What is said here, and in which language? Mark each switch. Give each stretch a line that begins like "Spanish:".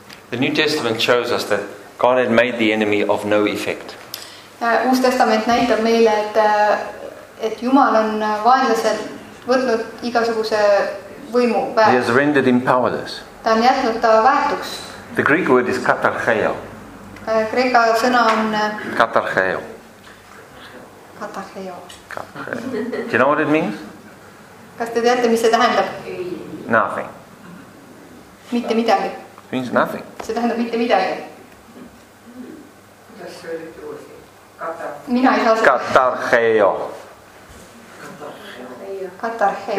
English: The New Testament shows us that God had made the enemy of no effect.
Estonian: Uus Testament näitab meile, et Jumal on vaenlasel võtnud igasuguse võimu väärt.
English: He has rendered him powerless.
Estonian: Ta on jätnud ta väärtuks.
English: The Greek word is katarcheo.
Estonian: Kreeka sõna on katarcheo. Katarcheo.
English: Do you know what it means?
Estonian: Kas te teate, mis see tähendab?
English: Nothing.
Estonian: Mitte midagi.
English: It means nothing.
Estonian: See tähendab mitte midagi. Mina ei saa seda. Katarcheo. Katarcheo.